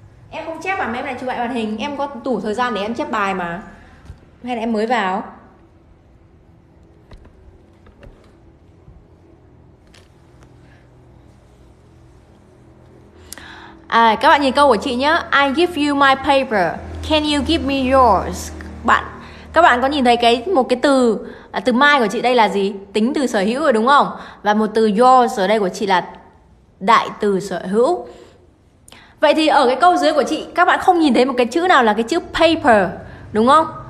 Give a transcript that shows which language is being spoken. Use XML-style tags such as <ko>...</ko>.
<vi>Em không chép bài mà em lại chụp lại màn hình. Em có đủ thời gian để em chép bài mà. Hay là em mới vào? À, các bạn nhìn câu của chị nhé.</vi> <en>I give you my paper, can you give me yours?</en> <vi>Bạn, các bạn có nhìn thấy cái một cái từ từ my của chị đây là gì? Tính từ sở hữu rồi đúng không? Và một từ yours ở đây của chị là đại từ sở hữu. Vậy thì ở cái câu dưới của chị, các bạn không nhìn thấy một cái chữ nào là cái chữ paper đúng không?</vi>